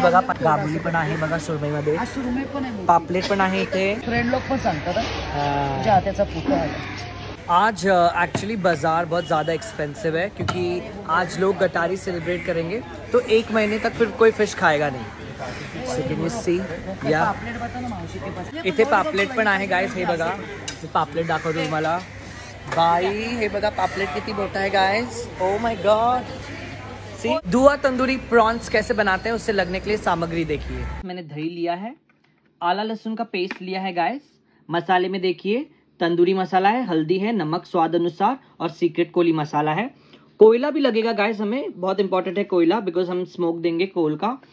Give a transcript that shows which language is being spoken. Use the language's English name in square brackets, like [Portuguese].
[Marathi] बघा गाबली पण आहे, बघा सुरमई मध्ये सुरमई पण आहे, पापलेट पण आहे इथे। फ्रेंड लोक पण सांगतात त्याचा फोटो आहे। [Hindi] आज एक्चुअली बाजार बहुत ज़्यादा एक्सपेंसिव है, क्योंकि आज लोग गटारी सेलिब्रेट करेंगे तो एक महीने तक फिर कोई फिश खाएगा नहीं। [English] so can you see, [Marathi] या इथे पापलेट पण आहे गाइस। हे बघा पापलेट दाखवतो तुम्हाला बाई। हे बघा पापलेट किती मोठा आहे guys. [English] oh my God, [Hindi] सी दुआ तंदूरी प्रॉन्स कैसे बनाते हैं उससे लगने के लिए सामग्री देखिए। मैंने दही लिया है, आला लहसुन का पेस्ट लिया है गाइस। मसाले में देखिए, तंदूरी मसाला है, हल्दी है, नमक स्वाद अनुसार, और सीक्रेट कोली मसाला है। कोयला भी लगेगा गाइस, हमें बहुत इंपॉर्टेंट है कोयला, बिकॉज हम स्मोक देंगे कोल का।